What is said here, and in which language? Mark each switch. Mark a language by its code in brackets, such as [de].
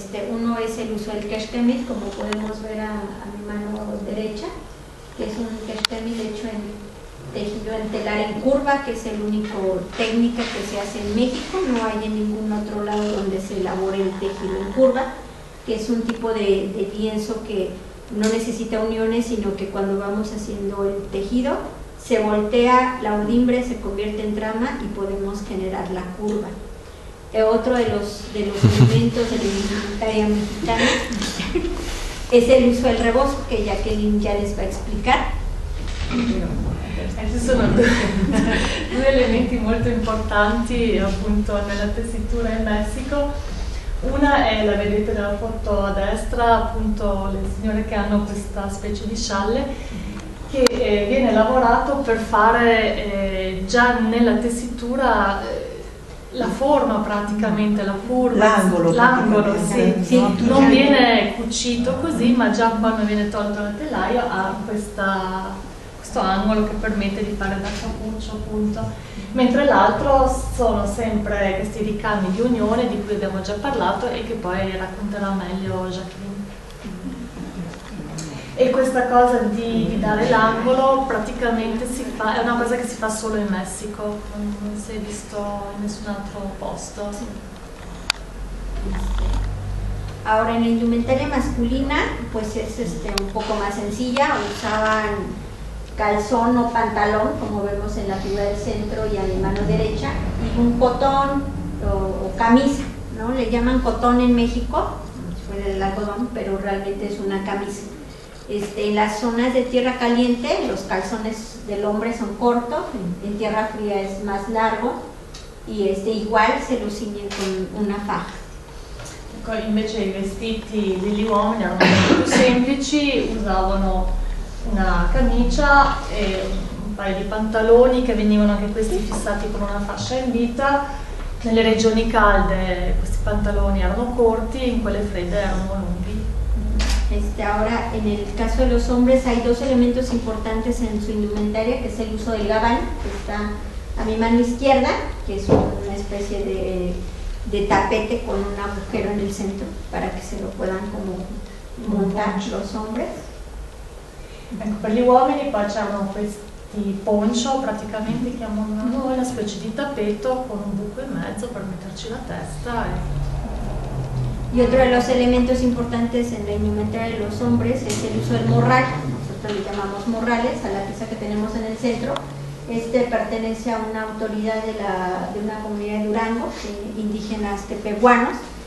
[es] Uno es el uso del keshkemet, como podemos ver a mi mano derecha, que es un keshkemet hecho en tejido en telar en curva, que es el único técnica que se hace en México, no hay en ningún otro lado donde se elabore el tejido en curva, que es un tipo de lienzo que no necesita uniones, sino que cuando vamos haciendo el tejido, se voltea la urdimbre, se convierte en trama y podemos generar la curva. Otro de los elementos de la indumentaria mexicana es el uso del rebozo, que Jacqueline ya les va a explicar. [it] Ci sono due elementi molto importanti appunto nella tessitura in Messico. Una è, la vedete nella foto a destra, appunto le signore che hanno questa specie di scialle che viene lavorato per fare già nella tessitura la forma praticamente, la curva, l'angolo sì. Non viene cucito così, ma già quando viene tolto dal telaio ha questo angolo che permette di fare da cappuccio, appunto. Mentre l'altro sono sempre questi ricami di unione di cui abbiamo già parlato e che poi racconterà meglio Jacqueline. E questa cosa di dare l'angolo praticamente si fa, è una cosa che si fa solo in Messico, non si è visto in nessun altro posto. Sì. [es] Ora, in indumentaria masculina, pues es un poco más sencilla, usaban calzón o pantalón, como vemos en la figura del centro y a mi mano derecha, y un cotón o camisa, ¿no? Le llaman cotón en México, fuera del algodón, pero realmente es una camisa. En las zonas de tierra caliente, los calzones del hombre son cortos, en tierra fría es más largo, y igual se lo ciñen con una faja. [it] Invece i vestiti degli uomini erano più semplici, usavano una camicia e un paio di pantaloni che venivano anche questi fissati con una fascia in vita. Nelle regioni calde questi pantaloni erano corti, in quelle fredde erano lunghi. [es] Ahora, en el caso de los hombres, hay dos elementos importantes en su indumentaria, que es el uso del gabán, que está a mi mano izquierda, que es una especie de tapete con un agujero en el centro para que se lo puedan como montar los hombres. [it] Ecco, per gli uomini poi c'erano questi poncho, praticamente chiamano una specie di tappeto con un buco in mezzo per metterci la testa. [es] Y otro de los elementos importantes en la indumentaria de los hombres es el uso del morral. Nosotros le llamamos morrales a la pieza que tenemos en el centro. Este pertenece a una autoridad de una comunidad de Durango, indígenas tepehuanos.